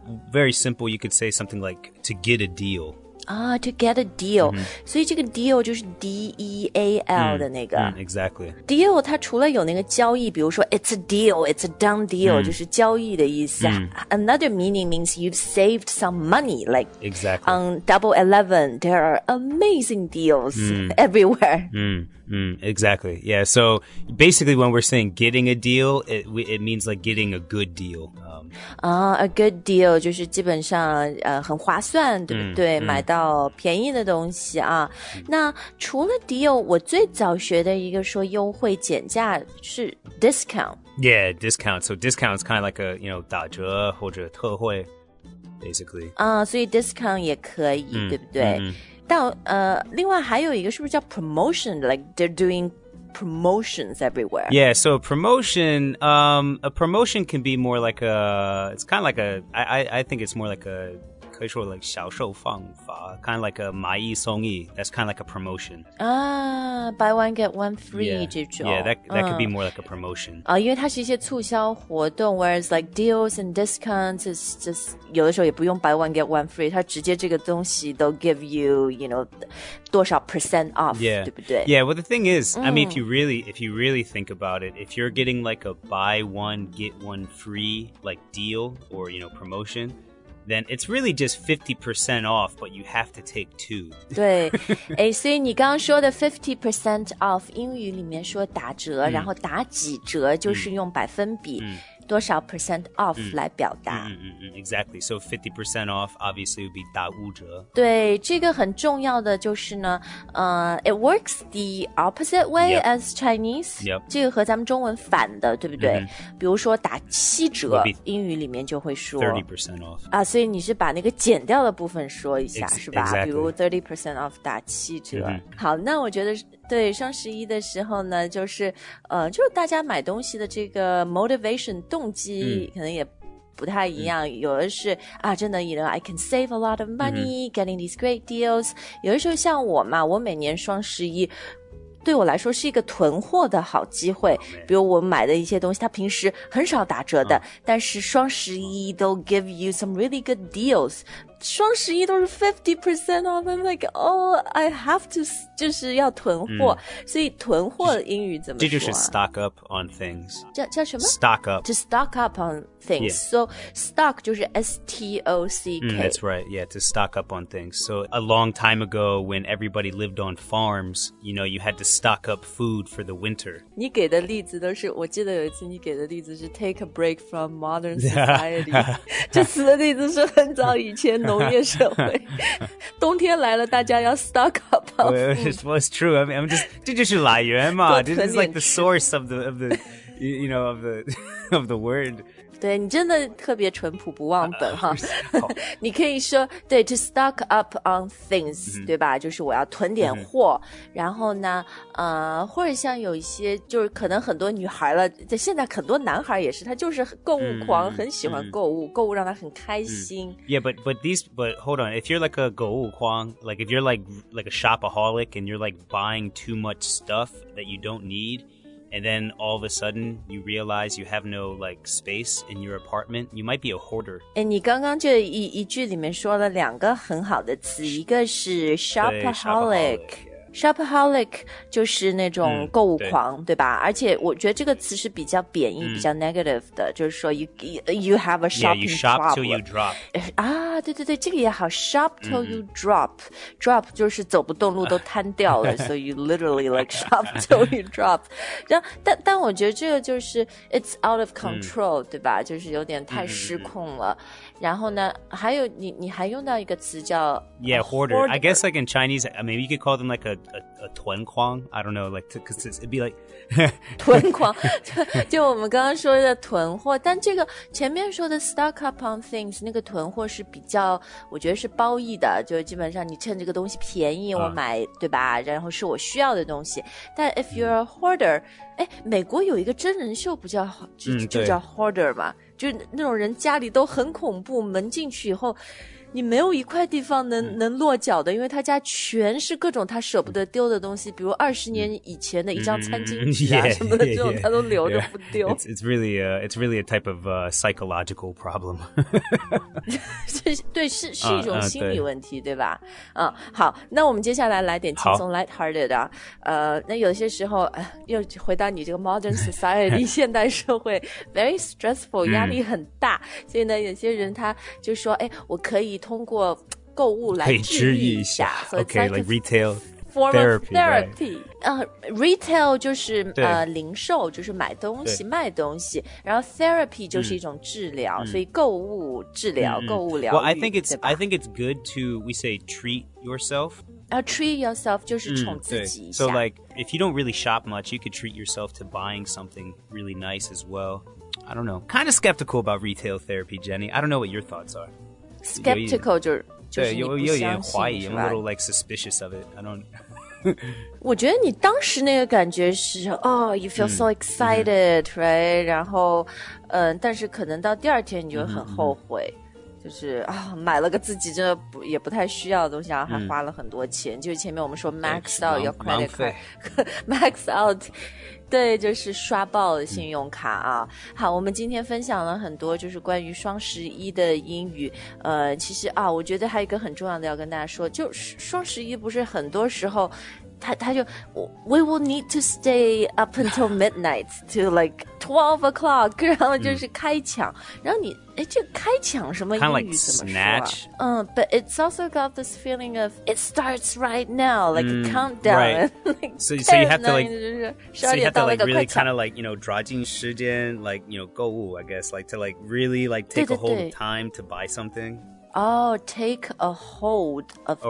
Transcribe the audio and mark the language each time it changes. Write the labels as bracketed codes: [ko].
[en] Very simple, you could say something like to get a deal. Ah, to get a deal. Mm-hmm. [zh] 所以这个 deal 就是 D-E-A-L 的那个。 [en] Exactly. [zh] Deal 它除了有那个交易，比如说 [en] it's a deal, it's a done deal,、 [zh] mm-hmm. 就是交易的意思。 [en] Mm-hmm. Another meaning means you've saved some money, like、 exactly. on Double 11, there are amazing deals、mm-hmm. everywhere. Exactly. Yeah, so basically when we're saying getting a deal, it means like getting a good deal. [zh] A good deal 就是基本上很划算，对不对？买到便宜的东西啊。那除了 deal， 我最早学的一个说优惠减价是 discount。 [en] Yeah, discount. So discount is kind of like a, you know, [zh] 打折或者特惠 [en] ，basically. [zh] 啊、所以 discount 也可以，对不对？但另外还有一个是不是叫 promotion？ [en] Like they're doing promotions everywhere. Yeah, so a promotion can be more like a, it's kind of like a, I think it's more like a, [zh] 可以说 [en] like [zh] 小售放法 [en] kind of like a [zh] 买一送一 [en] that's kind of like a promotion. Buy one, get one free, yeah, [zh] 这种。 [en] Yeah, that could be more like a promotion. [zh] 因为它是一些促销活动 [en] whereas like deals and discounts is just, [zh] 有的时候也不用 [en] buy one, get one free, [zh] 它直接这个东西 [en] they'll give you, you know, [zh] 多少 [en] percent off, yeah. [zh] 对不对？ [en] Yeah, well, the thing is, I mean, if you really think about it, if you're getting like a buy one, get one free, like deal or, you know, promotion, then it's really just 50% off, but you have to take two. [zh] 对，诶，所以你刚刚说的 50% off, 英语里面说打折，然后打几折就是用百分比。多少 percent off 来表达 [en] Exactly, so 50% off obviously would be [zh] 打五折对这个很重要的就是呢 [en] it works the opposite way、 yep. as Chinese、 yep. [zh] 这个和咱们中文反的对不对、mm-hmm. 比如说打七折英语里面就会说 [en] 30% off、 [zh] 所以你是把那个减掉的部分说一下、 [en] exactly. [zh] 是吧比如 30% off 打七折、 [en] mm-hmm. [zh] 好那我觉得对双十一的时候呢就是就是大家买东西的这个 motivation 动机可能也不太一样有的是啊真的 [en] you know, I can save a lot of money, getting these great deals. [zh] 有的时候像我嘛我每年双十一对我来说是一个囤货的好机会、 [en] oh, man. [zh] 比如我买的一些东西它平时很少打折的、但是双十一 [en] they'll give you some really good deals. [zh] 双十一都是 [en] 50% off, I'm like, oh, I have to, [zh] 就是要囤货。所以囤货英语怎么说、这就是 [en] stock up on things. [zh] 叫什么 [en] ?stock up. To stock up on things.、 Yeah. So, stock [zh] 就是 [en] S-T-O-C-K.、 That's right, yeah, to stock up on things. So, a long time ago, when everybody lived on farms, you know, you had to stock up food for the winter. [zh] 你给的例子都是我记得有一次你给的例子是 take a break from modern society. 这次的例子是很早以前农业社会。冬天来了大家要 [en] stock up on food. It's true. I mean, I'm just, [zh] 这就是来源嘛 [en] This is like the source of the, you know, of the word. [zh] 对你真的特别淳朴不忘本哈你可以说对 [en] to stock up on things、 [zh] mm-hmm. 对吧就是我要囤点货、mm-hmm. 然后呢或者像有一些就是可能很多女孩了在现在很多男孩也是他就是购物狂、mm-hmm. 很喜欢购物、mm-hmm. 购物让他很开心、mm-hmm. [en] yeah but hold on if you're like a [zh] 购物狂 [en] like if you're like a shopaholic and you're like buying too much stuff that you don't needAnd then all of a sudden, you realize you have no, like, space in your apartment. You might be a hoarder. [zh] 你刚刚就一句里面说了两个很好的词。一个是 shopaholic, [en] 对 shopaholic, yeah. [zh] Shopaholic 就是那种购物狂、对吧而且我觉得这个词是比较贬义、比较 negative 的就是说 [en] you have a shopping problem yeah, you shop till you drop [zh] 啊对对对这个也好 [en] shop till you drop [zh] drop 就是走不动路都瘫掉了 [en] so you literally like shop till you drop [zh] 但我觉得这个就是 [en] it's out of control、 [zh] 对吧就是有点太失控了、然后呢还有你还用到一个词叫 [en] yeah hoarder. hoarder I guess like in Chinese I mean you could call them likeA [zh] 囤筐 [en] I don't know, like, because it'd be like... [zh] 囤筐就我们刚刚说的囤货但这个前面说的 [en] stock up on things, [zh] 那个囤货是比较我觉得是褒义的就基本上你趁这个东西便宜我买、对吧然后是我需要的东西但 [en] if you're a hoarder,、 [zh] 美国有一个真人秀不叫 就叫 hoarder 嘛就那种人家里都很恐怖门进去以后你没有一块地方能落脚的因为他家全是各种他舍不得丢的东西比如20年以前的一张餐巾纸啊、什么的这种他都留着不丢。 [en] It's really a type of psychological problem. [zh] 对 是一种心理问题 对吧、好那我们接下来来点轻松 lighthearted 啊。那有些时候、又回到你这个 modern society, 现代社会 [en] very stressful, [zh] 压力很大。所以呢有些人他就说我可以通过购物来治愈一下 [en] okay, like retail form therapy, of therapy、 right. [zh] Retail 就是、零售就是买东西卖东西然后 therapy 就是一种治疗、所以购物治疗、购物疗愈 [en] Well, I think it's good to we say treat yourself Treat yourself [zh] 就是宠自己一下 [en] So like if you don't really shop much you could treat yourself to buying something really nice as well I don't know kind of skeptical about retail therapy Jenny I don't know what your thoughts are Skeptical [zh] 就是你不相信 [en] I'm a little like suspicious of it I don't [zh] 我觉得你当时那个感觉是 [en] Oh you feel so excited Right [zh] 然后但是可能到第二天你就很后悔就是买了个自己真的不也不太需要的东西然后还花了很多钱就是前面我们说 [en] max out your credit card [zh] max out对就是刷爆的信用卡啊好我们今天分享了很多就是关于双十一的英语其实啊我觉得还有一个很重要的要跟大家说就双十一不是很多时候他就 [en] We will need to stay up until midnight to like 12 o'clock [zh] 然后就是开抢然后你这开抢什么英语怎么说、 [en] snatch. But it's also got this feeling of it starts right now like a countdown、 right. so you have to like so you have to like really kind of like you know [zh] 抓紧时间 [en] like you know [zh] 购物 [en] I guess like to like really like take [zh] 对对对 [en] a hold of time to buy something Oh, take a hold of time,